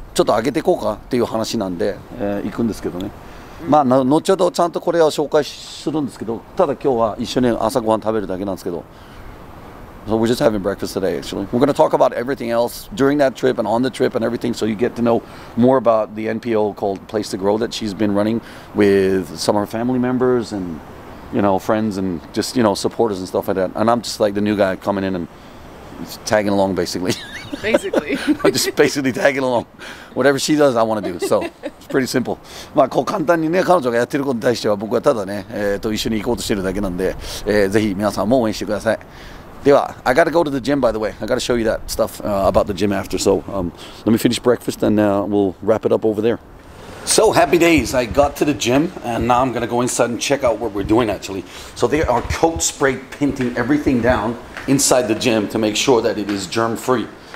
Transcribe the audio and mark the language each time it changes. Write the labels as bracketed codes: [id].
[ja] ちょっと上げていこうかっていう話なんで、行くんですけどね、まあ、後ほどちゃんとこれを紹介するんですけど、ただ今日は一緒に朝ごはん食べるだけなんですけど。 [en] So we're just having breakfast today, actually. We're going to talk about everything else during that trip and on the trip and everything, so you get to know more about the NPO called Place to Grow that she's been running with some of her family members and, you know, friends and just, you know, supporters and stuff like that. And I'm just like the new guy coming in and tagging along, basically. Basically. I'm just basically tagging along. Whatever she does, I want to do. So it's pretty simple. [ja] まあこう簡単にね、彼女がやってることに対しては僕はただね、一緒に行こうとしてるだけなんで、ぜひ皆さんも応援してください。 [en] では、I gotta go to the gym, by the way. I gotta show you that stuff, about the gym after. So, let me finish breakfast and, we'll wrap it up over there. So, happy days. I got to the gym and now I'm gonna go inside and check out what we're doing, actually. So, they are coat spray painting everything down inside the gym to make sure that it is germ free.